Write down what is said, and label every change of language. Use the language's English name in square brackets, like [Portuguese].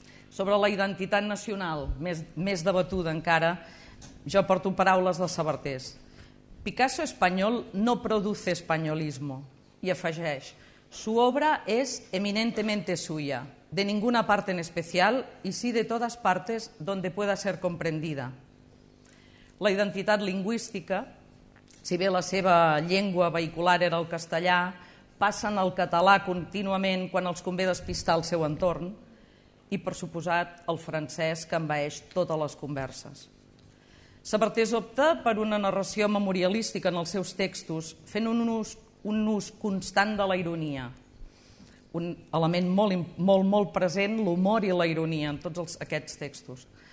[Catalan] Sobre la identitat nacional, més debatuda encara, jo porto paraules de Sabartés. [Spanish] Picasso espanyol no produce españolismo, [Catalan] i afegeix, [Spanish] su obra es eminentemente suya, de ninguna parte en especial y sí de todas partes donde pueda ser comprendida. [Catalan] La identitat lingüística, si bé la seva llengua vehicular era el castellà, passen al català contínuament quan els convé despistar el seu entorn i, per suposat, el francès que envaeix totes les converses. Sabartés opta per una narració memorialística en els seus textos, fent un ús constant de la ironia, un element molt present, l'humor i la ironia en tots aquests textos.